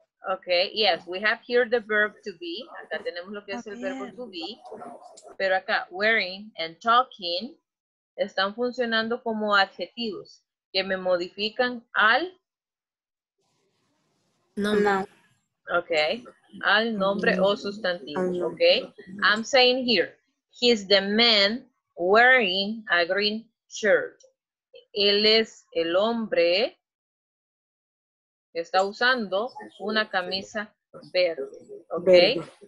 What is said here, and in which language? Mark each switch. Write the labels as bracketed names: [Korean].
[English] Okay, yes, we have here the verb to be. [Spanish] Acá tenemos lo que es el verbo to be. Pero acá, wearing and talking están funcionando como adjetivos que me modifican al okay, al nombre o sustantivo, okay? [English] I'm saying here, he's the man wearing a green shirt. [Spanish] Él es el hombre que está usando una camisa verde, okay?